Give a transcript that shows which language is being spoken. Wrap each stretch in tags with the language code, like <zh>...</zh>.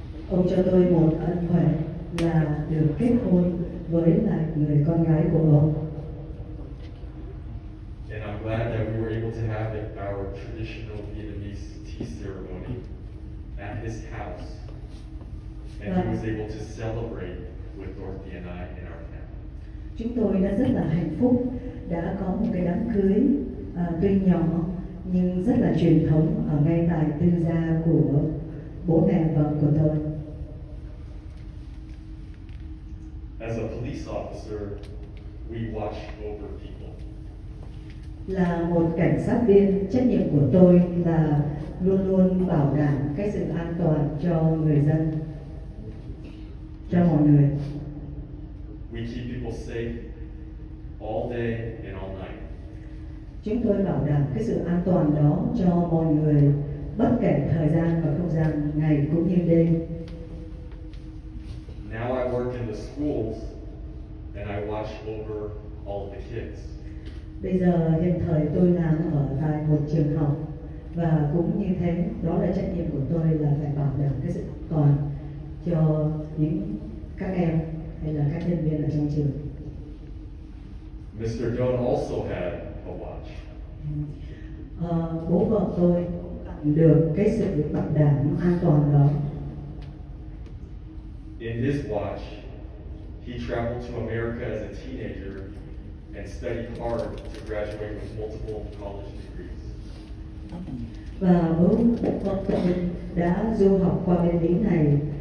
<vi>Ông cho tôi một ân huệ là được kết hôn với lại người con gái của ông.</vi> <en>And I'm glad that we were able to have our traditional Vietnamese tea ceremony at his house, and he was able to celebrate with Dorothy and I in our family.</en> <vi>Chúng tôi đã rất là hạnh phúc đã có một cái đám cưới tuy nhỏ nhưng rất là truyền thống ở ngay tại tư gia của bố mẹ vợ của tôi.</vi> <en>As a police officer, we watch over people.</en> <vi>Là một cảnh sát viên, trách nhiệm của tôi là luôn luôn bảo đảm cái sự an toàn cho người dân, cho mọi người.</vi> <en>We keep people safe all day and all night.</en> <vi>Chúng tôi bảo đảm cái sự an toàn đó cho mọi người bất kể thời gian và không gian, ngày cũng như đêm.</vi> <en>Now I work in the schools and I watch over all the kids.</en> <vi>Bây giờ hiện thời tôi làm ở tại một trường học và cũng như thế, đó là trách nhiệm của tôi là phải bảo đảm cái sự an toàn cho những các em hay là các nhân viên ở trong trường.</vi> <en>Mr. John also had a watch.</en> <vi>Bố vợ tôi được cái sự bảo đảm an toàn đó.</vi> <en>In his watch, he traveled to America as a teenager and studied hard to graduate with multiple college degrees.</en> <vi>Và bố vợ tôi đã du học qua bên Mỹ này.</vi>